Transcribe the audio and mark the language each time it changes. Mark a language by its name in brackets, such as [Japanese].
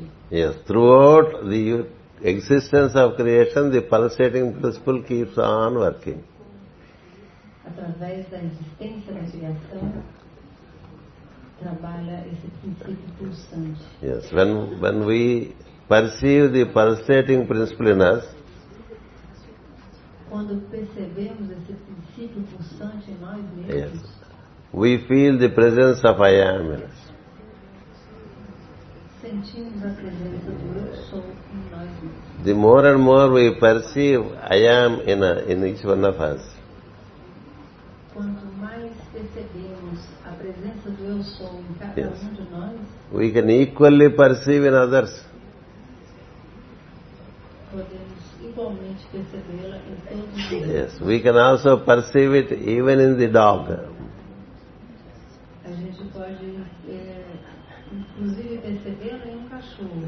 [English] Yes. Throughout the existence of creation, the pulsating principle keeps on working. [Portuguese] Através da existência da criação, trabalha esse princípio pulsante. [English] Yes, when we perceive the pulsating principle in us, [Portuguese] quando percebemos esse princípio pulsante em nós mesmos, [English] yes, we feel the presence of I am in us. [Portuguese] Sentimos a presença do eu sou em nós mesmos. [English] The more and more we perceive I am in each one of us, [Portuguese] quanto mais percebemos a presença do eu sou em cada, [English] yes, [Portuguese] um de nós, [English] we can equally perceive in others. [Portuguese] Podemos igualmente percebê-la em todos os outros. [English] Yes, we can also perceive it even in the dog. [Portuguese] A gente pode inclusive percebê-la em um cachorro.